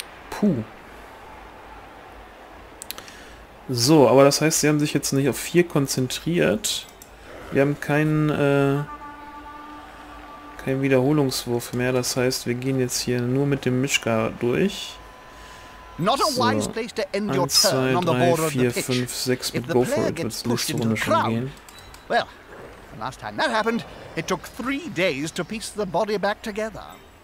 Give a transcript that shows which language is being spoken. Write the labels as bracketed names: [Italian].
[German] Puh. So, aber das heißt, sie haben sich jetzt nicht auf 4 konzentriert. Wir haben keinen keinen Wiederholungswurf mehr. Das heißt, wir gehen jetzt hier nur mit dem Mischka durch. [English] Not a wise place to end your turn on the border of the pitch. [German] 5, 6 mit [English] Go for it [German] wird's nächste Runde schon gehen. [English] Well, the last time that happened, it took 3 days to piece the body back together.